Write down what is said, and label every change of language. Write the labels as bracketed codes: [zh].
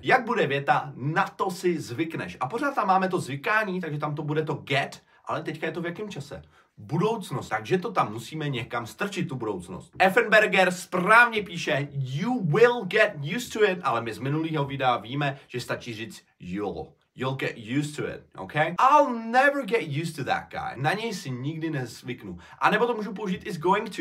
[cs] Jak bude věta, na to si zvykneš. A pořád tam máme to zvykání, takže tam to bude to get, ale teďka je to v jakém čase? Budoucnost, takže to tam musíme někam strčit, tu budoucnost. Effenberger správně píše, [en] you will get used to it, [cs] ale my z minulého videa víme, že stačí říct you'll. [en] You'll get used to it, okay? I'll never get used to that guy. [cs] Na něj si nikdy nezvyknu. A nebo to můžu použít is going to.